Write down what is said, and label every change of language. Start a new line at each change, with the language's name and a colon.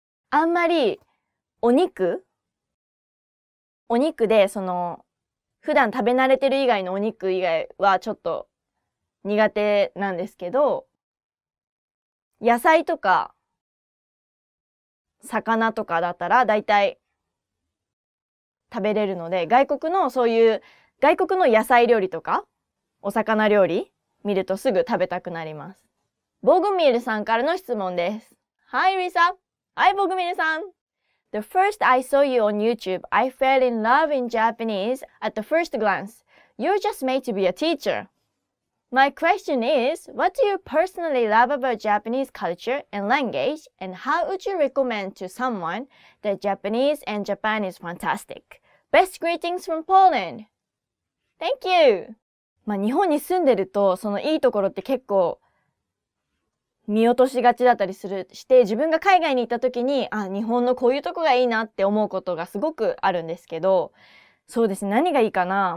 Japanese: あんまりお肉で、その、普段食べ慣れてる以外のお肉以外はちょっと苦手なんですけど、野菜とか魚とかだったら大体、食べれるので、外国の野菜料理とか、お魚料理見るとすぐ食べたくなります。 Bogumil さんからの質問です。
English: Hi, Risa! Hi, Bogumil
Japanese: さん
English: !The first I saw you on YouTube, I fell in love in Japanese at the first glance. You're just made to be a teacher.My question is, what do you personally love about Japanese culture and language, and how would you recommend to someone that Japanese and Japan is fantastic? Best greetings from Poland! Thank you!
Japanese: 日本に住んでると、そのいいところって結構見落としがちだったりするして、自分が海外に行った時に、あ、日本のこういうとこがいいなって思うことがすごくあるんですけど、そうですね、何がいいかな？